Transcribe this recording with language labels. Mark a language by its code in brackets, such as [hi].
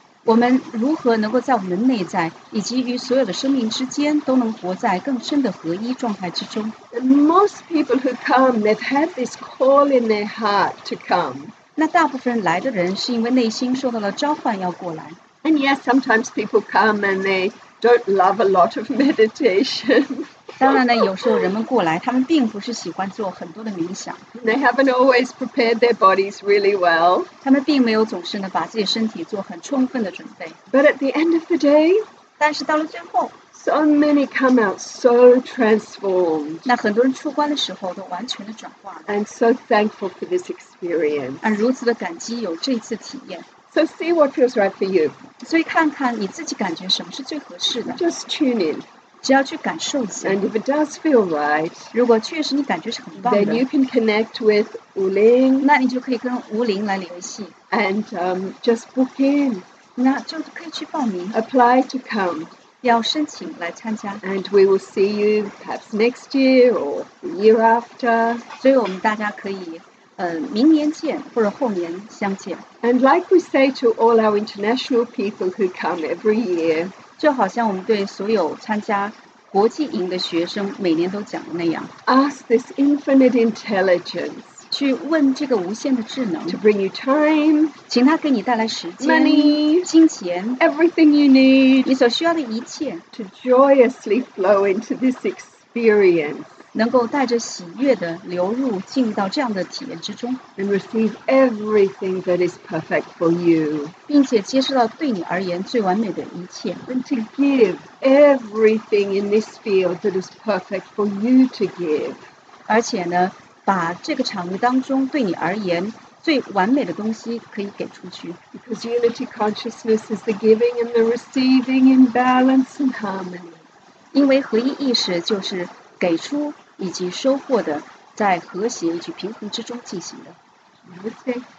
[zh] 我们如何能够在我们的内在以及与所有的生命之间都能活在更深的合一状态之中 [en] Most people who come, they've had this call in their heart to come. [zh] 那大部分来的人是因为内心受到了召唤要过来 [en] And yes, sometimes people come and they don't love a lot of meditation. [zh] 当然呢，有时候人们过来，他们并不是喜欢做很多的冥想。 [en] They haven't always prepared their bodies really well. [zh] 他们并没有总是呢把自己身体做很充分的准备。 [en] But at the end of the day, [zh] 但是到了最后 [en] so many come out so transformed. [zh] 那很多人出关的时候都完全的转化了。 [en] And so thankful for this experience. [zh] 而如此的感激有这次体验。 [en] So see what feels right for you. [zh] 所以看看你自己感觉什么是最合适的。 [en] Just tune in. [zh] 只要去感受一下 [en] And if it does feel right, [zh] 如果确实你感觉是很棒的 [en] then you can connect with 武林 [zh] 那你就可以跟武林来联系 [en] and just book in [zh] 那就可以去报名 [en] apply to come [zh] 要申请来参加 [en] and we will see you perhaps next year or year after [zh] 所以我们大家可以明年见或者后年相见 [en] and like we say to all our international people who come every year [zh] 就好像我们对所有参加国际营的学生每年都讲的那样 [en] Ask this infinite intelligence [zh] 去问这个无限的智能 [en] To bring you time [zh] 请他给你带来时间 [en] Money [zh] 金钱 [en] Everything you need [zh] 你所需要的一切 [en] To joyously flow into this experience [zh] 能够带着喜悦的流入进到这样的体验之中 [en] and receive everything that is perfect for you, [zh] 并且接受到对你而言最完美的一切 [en] and to give everything in this field that is perfect for you to give, [zh] 而且呢把这个场域当中对你而言最完美的东西可以给出去 [en] because unity consciousness is the giving and the receiving in balance and harmony, [zh] 因为合一意识就是给出以及收获的在和谐以及平衡之中进行的